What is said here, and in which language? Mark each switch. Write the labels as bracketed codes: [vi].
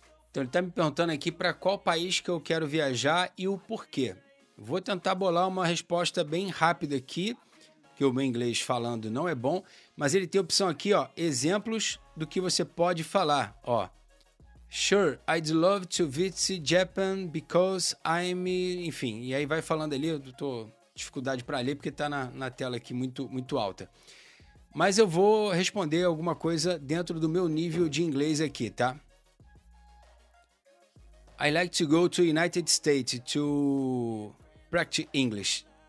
[pt] Então, ele está me perguntando aqui para qual país que eu quero viajar e o porquê. Vou tentar bolar uma resposta bem rápida aqui, que o meu inglês falando não é bom, mas ele tem opção aqui, ó, exemplos do que você pode falar, ó. [en] Sure, I'd love to visit Japan because I'm... [pt] Enfim, e aí vai falando ali, eu tô dificuldade para ler porque tá na tela aqui muito, muito alta. Mas eu vou responder alguma coisa dentro do meu nível de inglês aqui, tá? [en] I like to go to United States to practice English.